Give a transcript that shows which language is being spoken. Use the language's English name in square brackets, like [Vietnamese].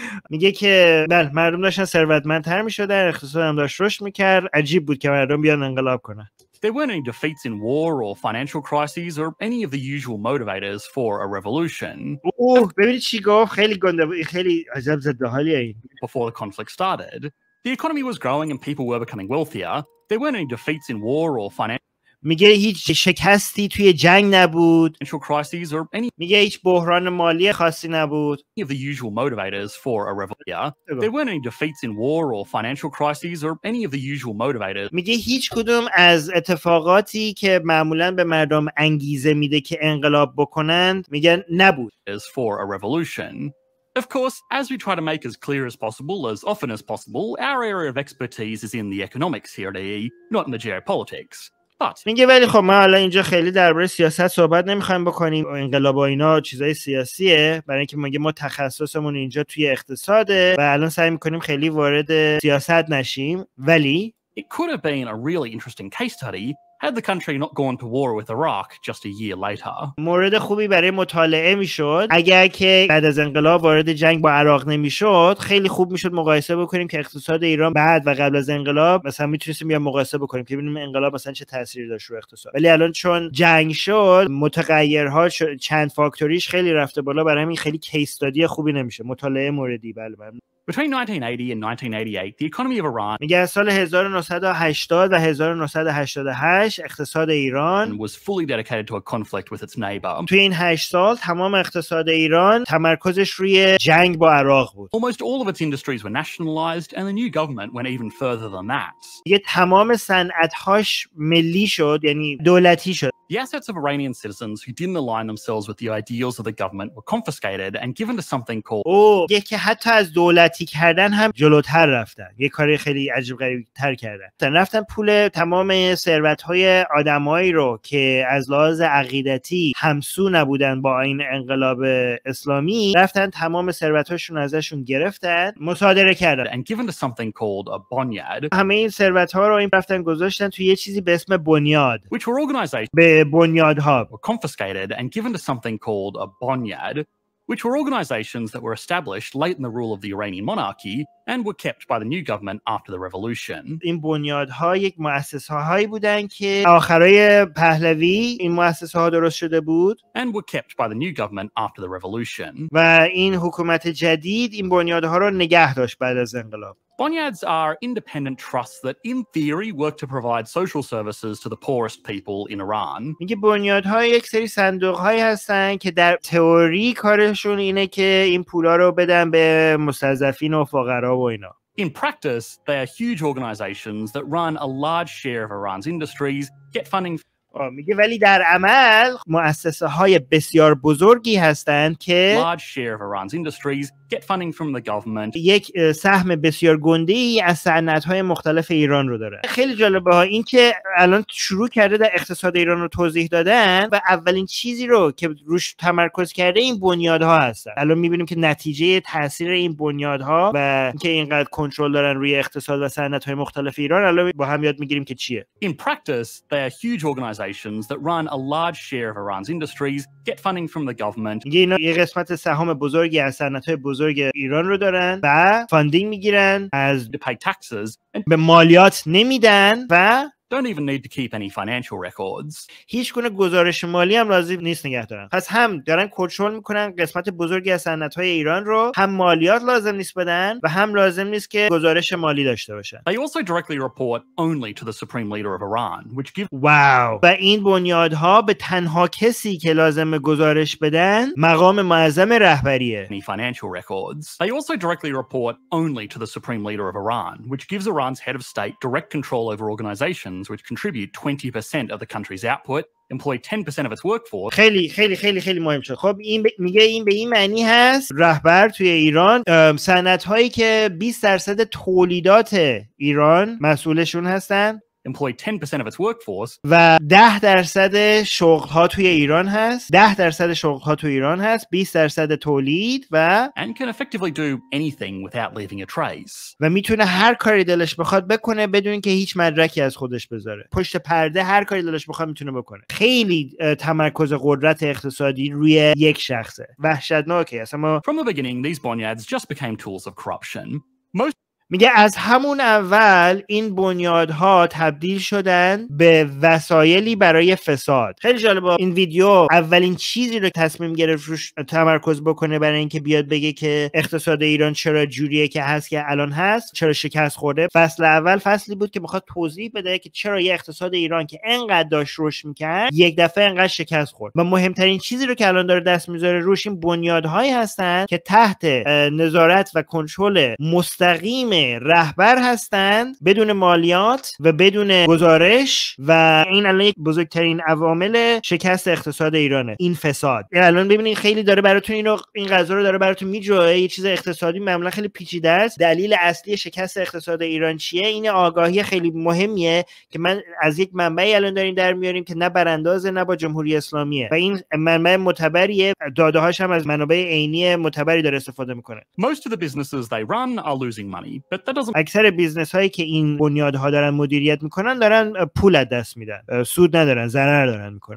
[Persian] میگه که بله مردم داشتن ثروتمندتر میشدن، اقتصاد هم داشت رشد میکرد، عجیب بود که مردم بیان انقلاب کنن. [English] There weren't any defeats in war or financial crises or any of the usual motivators for a revolution. [Persian] ببینید چی گفت، خیلی گنده بود، خیلی عجب زده حالی این. [English] Before the conflict started, the economy was growing and people were becoming wealthier. There weren't any defeats in war or financial [Persian] میگه هیچ شکستی توی جنگ نبود. [English] Any... [Persian] میگه هیچ بحران مالی خاصی نبود. [English] Any of the usual motivators for a revolution. Yeah. There weren't any defeats in war or financial crises or any of the usual motivators. [Persian] میگه هیچ کدوم از اتفاقاتی که معمولا به مردم انگیزه میده که انقلاب بکنند، میگه نبود. [English] As for a revolution. Of course, as we try to make as clear as possible, as often as possible, our area of expertise is in the economics here at AE, not in the geopolitics. [Persian] میگه ولی خب ما حالا اینجا خیلی درباره سیاست صحبت نمیخوایم بکنیم، انقلاب و اینا چیزای سیاسیه، برای اینکه میگه ما تخصصمون اینجا توی اقتصاده و الان سعی میکنیم خیلی وارد سیاست نشیم. ولی [English] It could have been a really interesting case study had the country not gone to war with Iraq just a year later. [Persian] مورد خوبی برای مطالعه میشد اگر که بعد از انقلاب وارد جنگ با عراق نمیشد. خیلی خوب میشد مقایسه بکنیم که اقتصاد ایران بعد و قبل از انقلاب، مثلا میتونستیم بیان مقایسه بکنیم که ببینیم انقلاب مثلا چه تأثیری داشت رو اقتصاد. ولی الان چون جنگ شد، متغیرها چند فاکتوریش خیلی رفته بالا، برای همین خیلی کیس استادی خوبی نمیشه. مطالعه موردی بله. [English] Between 1980 and 1988, the economy of Iran [Persian] میگه سال 1980 و 1988 اقتصاد ایران [English] was fully dedicated to a conflict with its neighbor. [Persian] توی این 8 سال تمام اقتصاد ایران تمرکزش روی جنگ با عراق بود. [English] Almost all of its industries were nationalized and the new government went even further than that. [Persian] یه تمام صنعت‌هاش ملی شد، یعنی دولتی شد. [English] The assets of Iranian citizens who didn't align themselves with the ideals of the government were confiscated and given to something called [Persian] یه که حتی از دولتی کردن هم جلوتر رفتن، یه کاری خیلی عجیب غریب تر کردن، رفتن پول تمام ثروت‌های آدمایی رو که از لحاظ عقیدتی همسو نبودن با این انقلاب اسلامی، رفتن تمام ثروت‌هاشون ازشون گرفتن، مصادره کردن. [English] And given to something called a bunyad. [Persian] همه این ثروت‌ها رو این رفتن گذاشتن توی یه چیزی به اسم بنیاد، [English] which were organized [Persian] به بنیادها، [English] were confiscated and given to something called a bunyad, which were organizations that were established late in the rule of the Iranian monarchy and were kept by the new government after the revolution. [Persian] این بنیادها یک مؤسسه‌هایی بودن که آخرای پهلوی این مؤسسه‌ها درست شده بود [English] and were kept by the new government after the revolution. [Persian] و این حکومت جدید این بنیادها رو نگه داشت بعد از انقلاب. [English] Bunyads are independent trusts that in theory work to provide social services to the poorest people in Iran. [Persian] میگه بنیادها یک سری صندوق‌هایی هستن که در تئوری کارشون اینه که این پولا رو بدن به مستضعفین و فقرا و اینا. [English] In practice, they are huge organizations that run a large share of Iran's industries, get funding [Persian] میگه ولی در عمل مؤسسه های بسیار بزرگی هستند که [English] large share of Iran's industries get funding from the government. [Persian] یک سهم بسیار گنده ای از صنعت های مختلف ایران رو داره. خیلی جالبه ها این که الان شروع کرده در اقتصاد ایران رو توضیح دادن و اولین چیزی رو که روش تمرکز کرده این بنیادها هستن. الان میبینیم که نتیجه تاثیر این بنیادها و اینکه اینقدر کنترل دارن روی اقتصاد و صنعت های مختلف ایران الان با هم یاد میگیریم که چیه. [English] In practice they are huge organizations that run a large share of Iran's industries get funding from the government. [Persian] یه قسمت سهام بزرگی از صنعت‌های بزرگ ایران رو دارن و فاندینگ میگیرن از [English] pay taxes [Persian] به مالیات نمیدن و [English] don't even need to keep any financial records. [Persian] هیچ گونه گزارش مالی هم لازم نیست نگه دارن. پس هم دارن کنترل میکنن قسمت بزرگی از صنعت‌های ایران رو، هم مالیات لازم نیست بدن و هم لازم نیست که گزارش مالی داشته باشن. [English] They also directly report only to the supreme leader of Iran, which gives wow. [Persian] و این بنیادها به تنها کسی که لازم گزارش بدن، مقام معظم رهبریه. [English] Any financial records. They also directly report only to the supreme leader of Iran, which gives Iran's head of state direct control over organization which contribute 20% of the country's output. employ 10% of its workforce. [Persian] خیلی خیلی خیلی خیلی مهم شد. خب این میگه این به این معنی هست رهبر توی ایران صنعت‌هایی که 20% تولیدات ایران مسئولشون هستن [English] employ 10% of its workforce [Persian] و 10% شغل‌ها توی ایران هست 10% شغل‌ها توی ایران هست 20% تولید و [English] and can effectively do anything without leaving a trace [Persian] و میتونه هر کاری دلش بخواد بکنه بدون که هیچ مدرکی از خودش بذاره پشت پرده هر کاری دلش بخواد میتونه بکنه خیلی تمرکز قدرت اقتصادی روی یک شخصه وحشتناکه اصلا ما [English] from the beginning these bonyads just became tools of corruption most [Persian] میگه از همون اول این بنیادها تبدیل شدن به وسایلی برای فساد. خیلی جالبه این ویدیو اولین چیزی رو تصمیم گرفت روش تمرکز بکنه برای اینکه بیاد بگه که اقتصاد ایران چرا جوریه که هست که الان هست، چرا شکست خورده. فصل اول فصلی بود که میخواد توضیح بده که چرا یه اقتصاد ایران که انقدر داشت روش میکرد، یک دفعه انقدر شکست خورد. و مهمترین چیزی رو که الان داره دست میذاره روش این بنیادهایی هستن که تحت نظارت و کنترل مستقیم رهبر هستند بدون مالیات و بدون گزارش و این الان یک بزرگترین عوامل شکست اقتصاد ایرانه این فساد این الان ببینید خیلی داره براتون اینو این قضا رو داره براتون میجوه یه چیز اقتصادی معمولا خیلی پیچیده است دلیل اصلی شکست اقتصاد ایران چیه این آگاهی خیلی مهمیه که من از یک منبعی الان دارین در میاریم که نه برانداز نه با جمهوری اسلامیه و این منبع معتبریه داده هاش هم از منابع عینی معتبری داره استفاده میکنه [English] most of the businesses they run are losing money. But that doesn't [Persian] اکثر بیزنس هایی که این بنیادها دارن مدیریت میکنن دارن پول از دست میدن سود ندارن ضرر دارن میکنن